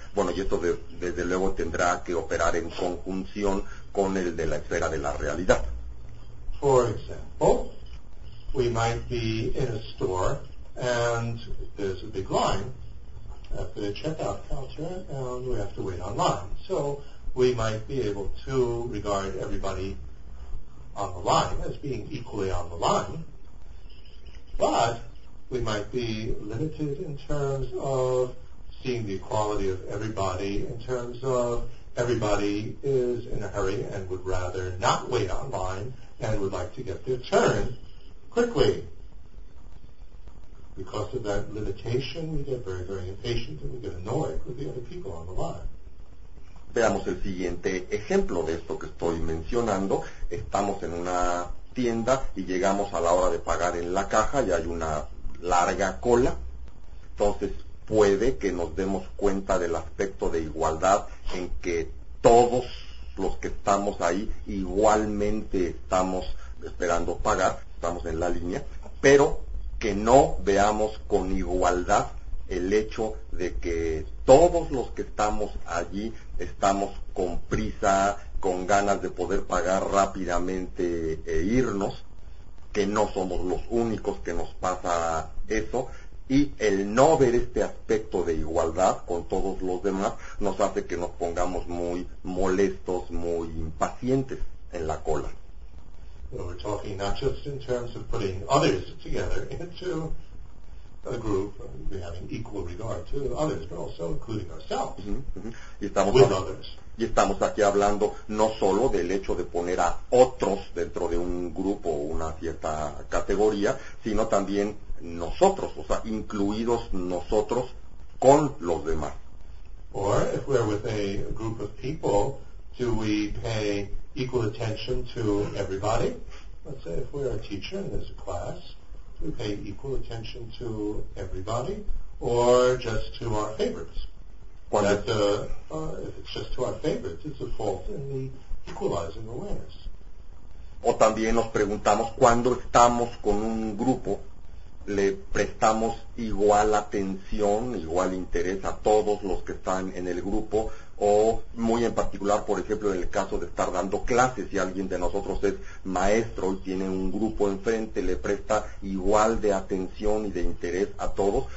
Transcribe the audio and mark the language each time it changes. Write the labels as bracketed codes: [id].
[es] Bueno, y esto desde luego tendrá que operar en conjunción con el de la esfera de la realidad. [en] For example, we might be in a store and there's a big line at the checkout counter and we have to wait online. So we might be able to regard everybody on the line as being equally on the line, but we might be limited in terms of seeing the equality of everybody in terms of everybody is in a hurry and would rather not wait online and would like to get their turn quickly. Because of that limitation, we get very, very impatient and we get annoyed with the other people on the line. [es] Veamos el siguiente ejemplo de esto que estoy mencionando. Estamos en una tienda y llegamos a la hora de pagar en la caja y hay una larga cola. Entonces puede que nos demos cuenta del aspecto de igualdad en que todos los que estamos ahí igualmente estamos esperando pagar, estamos en la línea, pero que no veamos con igualdad el hecho de que todos los que estamos allí estamos con prisa, con ganas de poder pagar rápidamente e irnos, que no somos los únicos que nos pasa eso, y el no ver este aspecto de igualdad con todos los demás nos hace que nos pongamos muy molestos, muy impacientes en la cola. [en] We're talking not just in terms of putting others together into a group and having equal regard to others, but also including ourselves others. [es] Y estamos aquí hablando no solo del hecho de poner a otros dentro de un grupo o una cierta categoría, sino también nosotros, o sea, incluidos nosotros con los demás. [en] Or if we're with a group of people, do we pay equal attention to everybody? Let's say if we're a teacher and there's a class, do we pay equal attention to everybody or just to our favorites? If it's just to our favorites, it's a fault in the equalizing awareness. [es] O también nos preguntamos, cuando estamos con un grupo, ¿le prestamos igual atención, igual interés a todos los que están en el grupo? O muy en particular, por ejemplo, en el caso de estar dando clases, si alguien de nosotros es maestro y tiene un grupo enfrente, ¿le presta igual de atención y de interés a todos?